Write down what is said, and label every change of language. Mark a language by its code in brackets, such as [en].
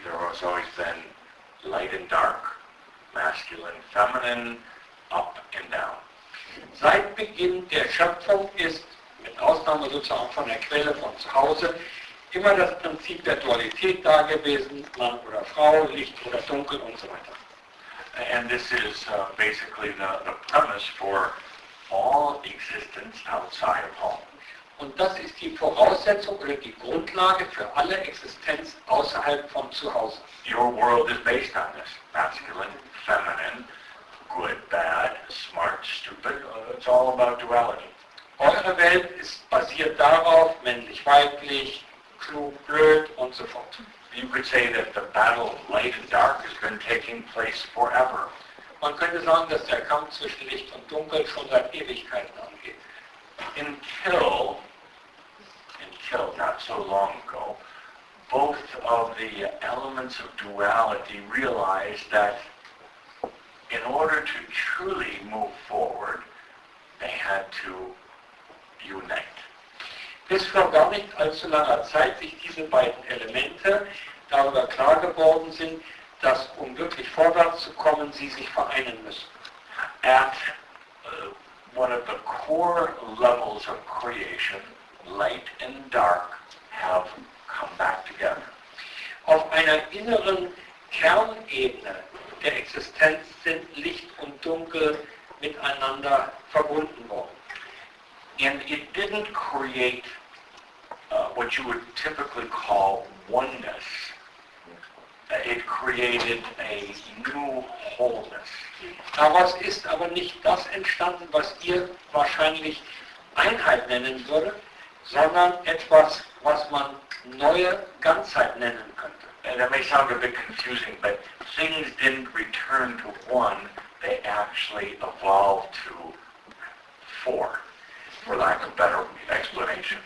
[en] There has always been light and dark, masculine, feminine, up and down. [de] Seit Beginn der Schöpfung ist, mit Ausnahme sozusagen von der Quelle von zu Hause, immer das Prinzip der Dualität da gewesen, Mann oder Frau, Licht oder Dunkel und so weiter. [en] And this is basically the premise for all existence outside of home. [de] Und das ist die Voraussetzung oder die Grundlage für alle Existenz außerhalb von Zuhause. [en] Your world is based on this. Masculine, feminine, good, bad, smart, stupid. It's all about duality. [de] Eure Welt ist basiert darauf, männlich, weiblich, klug, blöd und so fort. [en] You could say that the battle of light and dark has been taking place forever. [de] Man könnte sagen, dass der Kampf zwischen Licht und Dunkel schon seit Ewigkeiten angeht. [en] Until not so long ago, both of the elements of duality realized that in order to truly move forward, they had to unite. [de] Bis vor gar nicht allzu langer Zeit sich diese beiden Elemente darüber klar geworden sind, dass um wirklich vorwärts zu kommen, sie sich vereinen müssen. [en] At one of the core levels of creation, light and dark have come back together. [de] Auf einer inneren Kernebene der Existenz sind Licht und Dunkel miteinander verbunden worden. [en] And it didn't create what you would typically call oneness, it created a new wholeness. [de] Daraus ist aber nicht das entstanden, was ihr wahrscheinlich Einheit nennen würde, sondern etwas, was man neue Ganzheit nennen könnte. [en] And that may sound a bit confusing, but things didn't return to one, they actually evolved to four, for lack of a better explanation.